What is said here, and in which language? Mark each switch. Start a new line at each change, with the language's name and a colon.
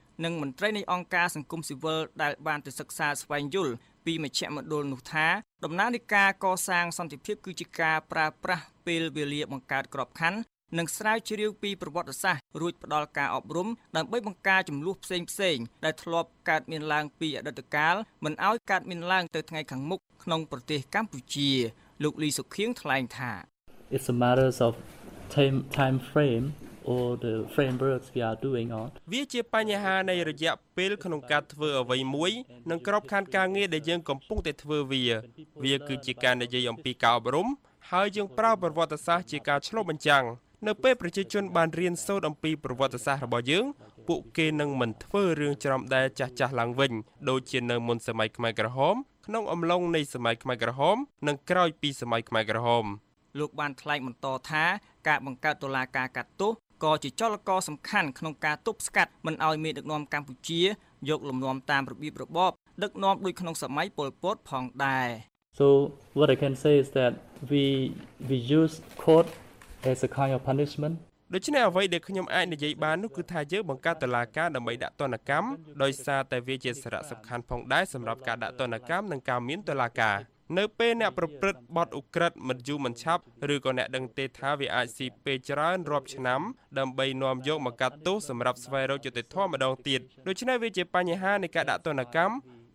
Khmer: និងមន្ត្រីនៃអង្គការសង្គមស៊ីវិលដែលបានទៅសិក្សាស្វែងយល់ពីមជ្ឈមណ្ឌលនោះថាដំណើរនៃការកសាងសន្តិភាពគឺជាការប្រើប្រាស់ពេលវេលាបង្កើតក្របខ័ណ្ឌនិងស្រាវជ្រាវពីប្រវត្តិសាស្ត្ររួចផ្ដល់ការអប់រំដើម្បីបង្ការចំនួនផ្សេងផ្សេងដែលធ្លាប់កើតមានឡើងពីអតីតកាលមិនឲ្យកើតមានឡើងទៅថ្ងៃខាងមុខក្នុងប្រទេសកម្ពុជាលោកលីសុខៀងថ្លែងថា
English: It's a matter of time frame or the frameworks we are doing on
Khmer: វាជាបញ្ហានៃរយៈពេលក្នុងការធ្វើអ្វីមួយនិងក្របខ័ណ្ឌការងារដែលយើងកំពុងតែធ្វើវាគឺជាការនិយាយអំពីការអប់រំហើយយើងប្រើប្រវត្តិសាស្ត្រជាការឆ្លុះបញ្ចាំងនៅពេលប្រជាជនបានរៀនសូត្រអំពីប្រវត្តិសាស្ត្ររបស់យើងពួកគេនឹងមិនធ្វើរឿងច្រំដែលចាស់ៗឡើងវិញដូចជានៅមុនសម័យខ្មែរក្រហមក្នុងអំឡុងនៃសម័យខ្មែរក្រហមនិងក្រោយពីសម័យខ្មែរក្រហម លោកបានថ្លែងបន្តថាការបង្កើតតុលាការកាត់ទោសក៏ជាចលករសំខាន់ក្នុងការទប់ស្កាត់មិនឲ្យមានដឹកនាំកម្ពុជាយកលំនាំតាមរបៀបរបបដឹកនាំដូចក្នុងសម័យប៉ុលពតផងដែរ
English: So what I can say is that we use court as a kind of punishment
Khmer: ដូច្នេះអ្វីដែលខ្ញុំអាចនិយាយបាននោះគឺថាយើងបង្កើតតុលាការដើម្បីដាក់ទណ្ឌកម្មដោយសារតែវាជាសារៈសំខាន់ផងដែរសម្រាប់ការដាក់ទណ្ឌកម្មនិងការមានតុលាការនៅពេលអ្នកប្រព្រឹត្តបទឧក្រិដ្ឋមិនយូរមិនឆាប់ឬក៏អ្នកដឹងទេថាវាអាចស៊ីពេលច្រើនរាប់ឆ្នាំដើម្បីនាំយកមកកាត់ទោសសម្រាប់ស្វែងរកយុត្តិធម៌ម្ដងទៀតដូច្នេះវាជាបញ្ហានៃការដាក់ទណ្ឌកម្ម